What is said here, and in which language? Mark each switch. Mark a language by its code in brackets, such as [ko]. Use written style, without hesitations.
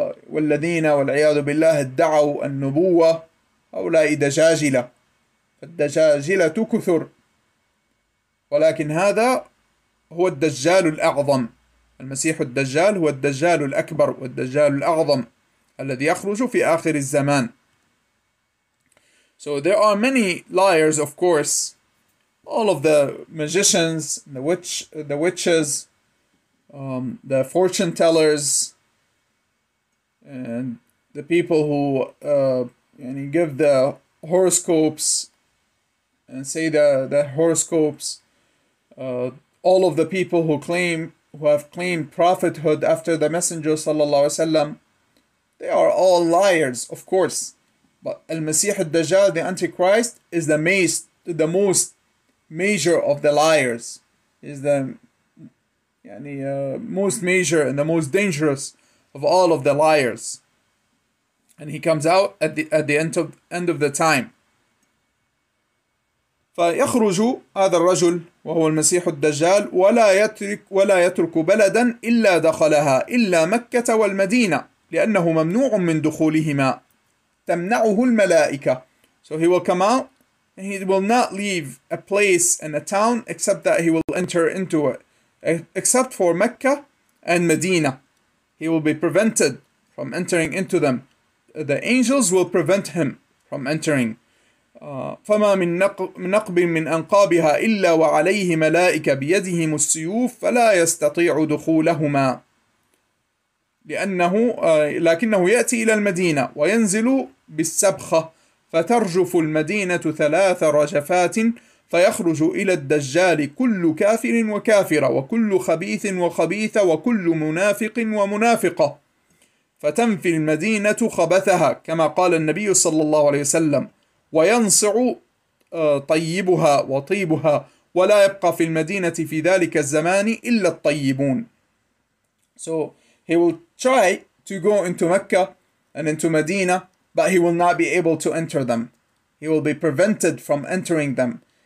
[ar] والذين والعياذ بالله ادعوا النبوة هؤلاء دجاجلة. فالدجاجلة تكثر. ولكن هذا هو الدجال الأعظم، المسيح الدجال هو الدجال الأكبر والدجال الأعظم الذي يخرج في آخر الزمان. [en] So there are many liars, of course. All of the magicians, the witches, the fortune tellers, and the people who give the horoscopes and say the horoscopes, all of the people who have claimed prophethood after the Messenger sallallahu alaihi wasallam, they are all liars, of course. But al-Masih al-Dajjal, the Antichrist, is the most major of the liars, is the most major and the most dangerous of all of the liars. And he comes out at the end of the time. [ar] فيخرج هذا الرجل وهو المسيح الدجال ولا يترك بلدا إلا دخلها إلا مكة والمدينة لأنه ممنوع من دخولهما تمنعه الملائكة. [en] So he will come out and he will not leave a place and a town except that he will enter into it, except for Mecca and Medina. He will be prevented from entering into them. The angels will prevent him from entering. [ar] فما من نقب من أنقابها إلا وعليه ملائكة بيدهم السيوف فلا يستطيع دخولهما لأنه لكنه يأتي إلى المدينة وينزل بالسبخة فترجف المدينة ثلاث رجفات فيخرج إلى الدجال كل كافر وكافرة وكل خبيث وخبيثة وكل منافق ومنافقة فتنفي المدينة خبثها كما قال النبي صلى الله عليه وسلم وينصع طيبها وطيبها ولا يبقى في المدينة في ذلك الزمان إلا الطيبون. [en] So he will try to go into Mecca and into Medina, but he will not be able to enter them. He will be prevented from entering them.